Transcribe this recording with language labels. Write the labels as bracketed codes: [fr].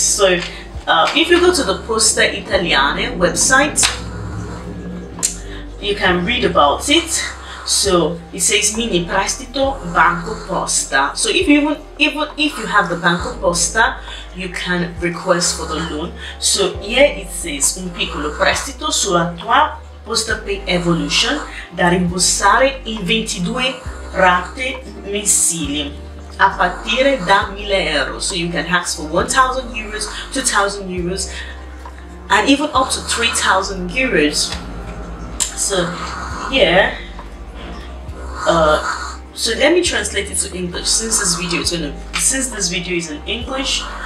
[en] So if you go to the Poste Italiane website, you can read about it. So it says mini prestito banco posta. So if you have the banco posta, you can request for the loan. So here it says [it] un piccolo prestito sulla tua PostePay Evolution da rimborsare in 22 rate mensili a partire da 1000 euro. [en] So you can ask for 1000 euros, 2000 euros, and even up to 3000 euros. So yeah, so let me translate it to English since this video is in English.